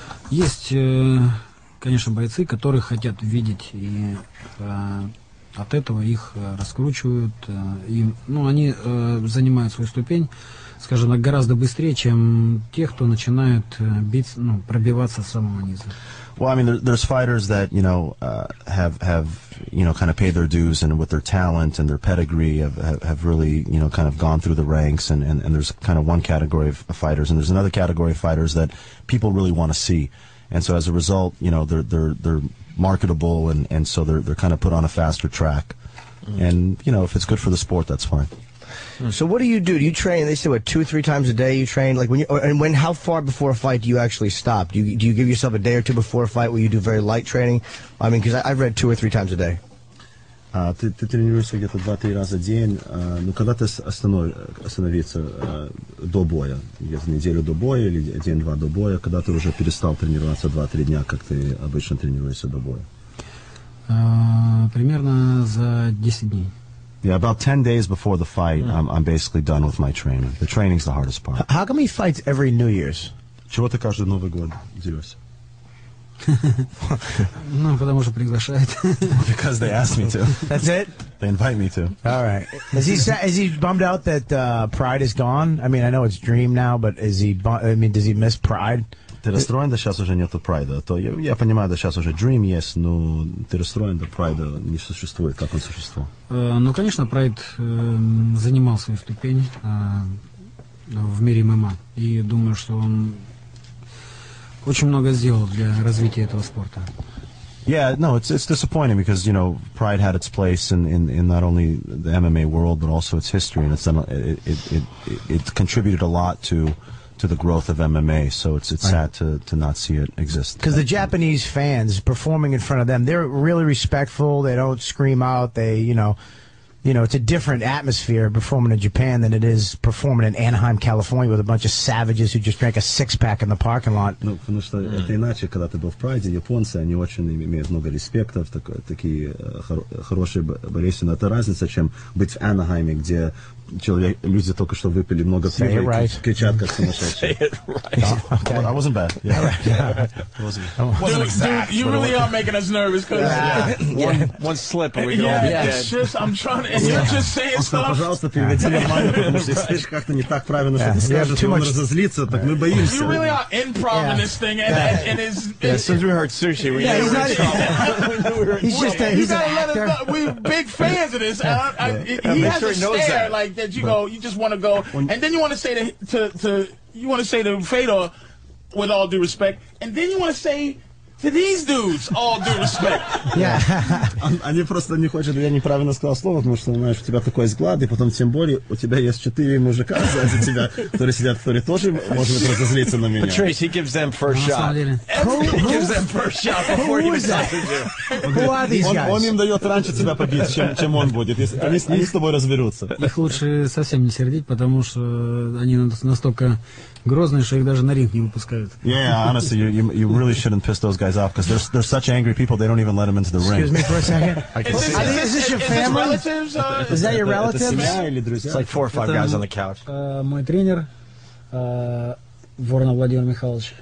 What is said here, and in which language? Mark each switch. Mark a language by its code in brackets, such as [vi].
[ru] Есть, конечно, бойцы, которые хотят видеть, и от этого их раскручивают. И, ну, они занимают свою ступень, скажем так, гораздо быстрее, чем те, кто начинает бить, ну, пробиваться с самого низа. [en] Well, I mean, there's fighters that, you know, have you know, kind of paid their dues, and with their talent and their pedigree have really, you know, kind of gone through the ranks, and there's kind of one category of fighters, and there's another category of fighters that people really want to see. And so as a result, you know, they're marketable, and so they're kind of put on a faster track. Mm. And, you know, if it's good for the sport, that's fine. So what do? Do you train? They say, what, 2-3 times a day you train? Like when you, or, and when, how far before a fight do you actually stop? Do you give yourself a day or two before a fight where you do very light training? I mean, because I've read 2 or 3 times a day. [ru] Ты тренируешься где-то 2-3 раза в день. Ну, когда ты остановиться до боя? Где-то неделю до боя или 1-2 до боя? Когда ты уже перестал тренироваться 2-3 дня, как ты обычно тренируешься до боя? Примерно за 10 дней. [en] Yeah, about 10 days before the fight, I'm basically done with my training. The training's the hardest part. How come he fights every New Year's? [ru] Чего ты каждый Новый год делаешь? Ну, потому что приглашают. [en] Because they asked me to. That's it? They invite me to. All right. Is he bummed out that Pride is gone? I mean, I know it's Dream now, but does he miss Pride? [ru] Ты расстроен, да, сейчас уже нету Прайда? То я понимаю, да, сейчас уже Dream есть, но ты расстроен, да, Прайда не существует, как он существовал? Ну, конечно, Прайд занимал свою ступень в мире ММА. И думаю, что он очень много сделал для развития этого спорта. [en] Yeah, no, it's disappointing because, you know, Pride had its place in not only the MMA world, but also its history. And it contributed a lot to the growth of MMA, so it's right. Sad to not see it exist. Because the Japanese fans performing in front of them, they're really respectful. They don't scream out. They, you know, it's a different atmosphere performing in Japan than it is performing in Anaheim, California, with a bunch of savages who just drank a 6-pack in the parking lot. [ru] Ну, потому что это иначе, когда ты был в Прайде, японцы, они очень имеют много респекта, такие хорошие болельщики. Но это разница, чем быть в Анахайме, где человек, люди только что выпили много пива, кричат, [en] right. [ru] Как сумасшедшие. [en] Say it right. Yeah. Okay. Well, that wasn't bad. Yeah. Dude, you really are making us nervous. One slip and we're going to be dead. It's just, I'm trying to, and you're just saying stuff. Пожалуйста, переведи нормально, потому что если ты как-то не так правильно что-то скажешь, он разозлится, так мы боимся. You really are improv in this thing, and it's... Yeah, since we heard sushi, we knew we were in trouble. He's just a actor. We're big fans of this. He has a stare, like, that you go, you just want to go, and then you want to say to Fedor, with all due respect, and then you want to say to these dudes, all due respect. Yeah. [ru] Они просто не хотят, я неправильно сказал слово, потому что, знаешь, у тебя такой взгляд, и потом, тем более, у тебя есть 4 мужика за тебя, которые сидят, которые тоже могут разозлиться на меня. [en] Patrice, he gives them first shot. He gives them first shot before he decides to do. Who are these guys? [ru] Он им дает раньше тебя побить, чем он будет. Они с тобой разберутся. Их лучше совсем не сердить, потому что они настолько... Грозные, что их даже на ринг не выпускают. [en] Yeah, honestly, you really shouldn't piss those guys off, because they're such angry people, they don't even let them into the ring. Excuse me for a second. is this your family? Is that your relative? It's like 4 or 5 guys on the couch. [ru] Мой тренер, Voronov Vladimir Mikhailovich.